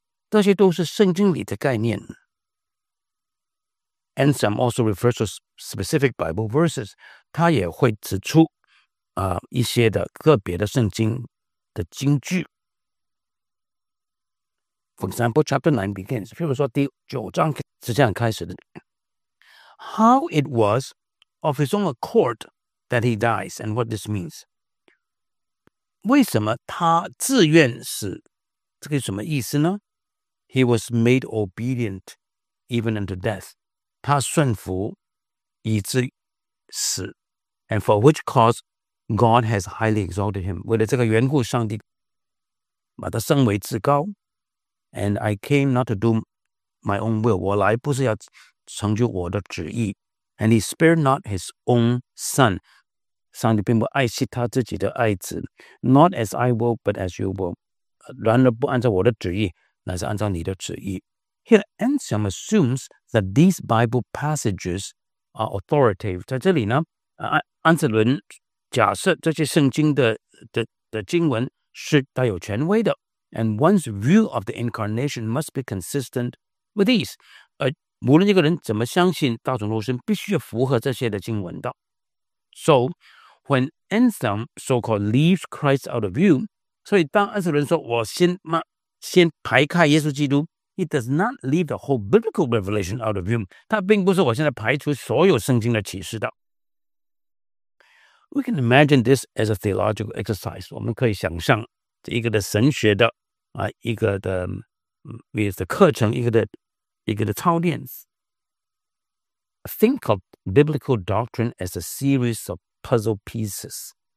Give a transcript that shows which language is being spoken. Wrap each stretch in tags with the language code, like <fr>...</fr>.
<zh>这些都是圣经里的概念</zh> <en>Anselm also refers to specific Bible verses.</en> <zh>他也会指出一些的个别的圣经的经句。</zh> <en>For example, chapter 9 begins.</en> <zh>譬如说第九章是这样开始的。</zh> <en>How it was of his own accord that he dies and what this means.</en> <zh>为什么他自愿死这个什么意思呢</zh> <en>He was made obedient even unto death.</en> <zh>他顺服以致死</zh> <en>And for which cause God has highly exalted him</en> <zh>为了这个缘故上帝把他升为至高</zh> <en>And I came not to do my own will</en> <zh>我来不是要成就我的旨意</zh> <en>And he spared not his own son</en> <zh>上帝并不爱惜他自己的爱子</zh> <en>Not as I will but as you will</en> <zh>然而不按照我的旨意乃是按照你的旨意</zh> <en>Here, Anselm assumes that these Bible passages are authoritative.</en> <zh>在这里呢，安瑟伦假设这些圣经的经文是带有权威的。</zh> <en>And one's view of the incarnation must be consistent with these.</en> <zh>无论一个人怎么相信道成肉身，必须符合这些的经文的。</zh> <en>So, when Anselm so-called leaves Christ out of view,</en> <zh>所以当安瑟伦说我先排开耶稣基督。</zh> <en>It does not leave the whole biblical revelation out of view.</en> <zh>它并不是我现在排除所有圣经的启示的。</zh> <en>We can imagine this as a theological exercise.</en> <zh>我们可以想象这一个的神学的一个的with the 课程一个的操练。</zh> <en>Think of biblical doctrine as a series of puzzle pieces.</en>